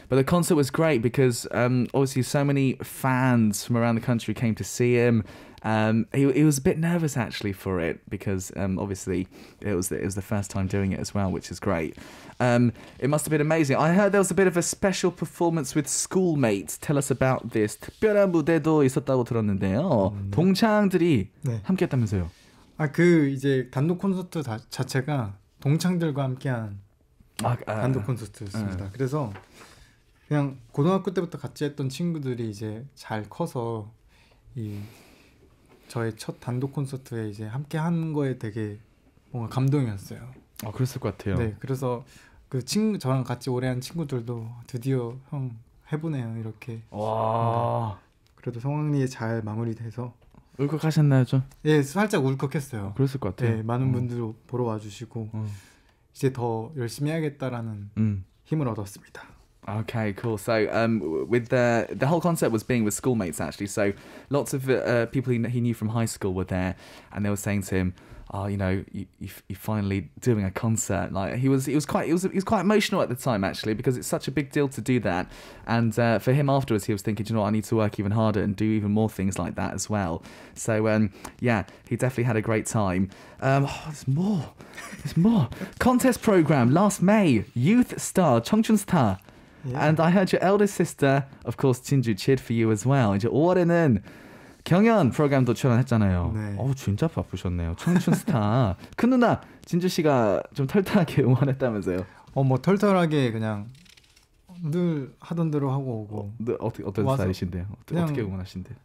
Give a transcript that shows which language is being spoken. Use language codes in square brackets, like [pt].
[en] But the concert was great because obviously so many fans from around the country came to see him. He was a bit nervous actually for it because obviously it was the first time doing it as well, which is great. It must have been amazing. I heard there was a bit of a special performance with schoolmates. Tell us about this. [ko] 특별한 무대도 있었다고 들었는데요. 동창들이 네. 함께했다면서요? 아 그 이제 단독 콘서트 자체가 동창들과 함께한 단독 콘서트였습니다. 그래서 그냥 고등학교 때부터 같이 했던 친구들이 이제 잘 커서 이 저의 첫 단독 콘서트에 이제 함께 한 거에 되게 뭔가 감동이었어요. 아 그랬을 것 같아요. 네, 그래서 그 친구 저랑 같이 오래 한 친구들도 드디어 형 해보네요 이렇게. 와. 그래도 성황리에 잘 마무리돼서. 울컥하셨나요 좀? 예, 살짝 울컥했어요. 그랬을 것 같아요. 네, 많은 분들도 보러 와주시고 이제 더 열심히 해야겠다라는 힘을 얻었습니다. [en] Okay, cool. So, with the whole concert was being with schoolmates actually. So, lots of people he knew from high school were there, and they were saying to him, "Oh, you know, you're finally doing a concert." Like he was quite emotional at the time actually because it's such a big deal to do that. And for him afterwards, he was thinking, "You know, what, I need to work even harder and do even more things like that as well." So, yeah, he definitely had a great time. There's more. Contest program last May. Youth star, Chongchun star. Yeah. And I heard your eldest sister, of course, Jinju, cheered for you as well. [ko] 이제 올해는 경연 프로그램도 출연했잖아요. 네. 어우, 진짜 바쁘셨네요. 청춘 스타. 큰 누나, 진주 씨가 좀 털털하게 응원했다면서요? 뭐 털털하게 그냥 늘 하던 대로 하고 오고. 어떤 스타일이신데요? 어떻게 응원하신데요?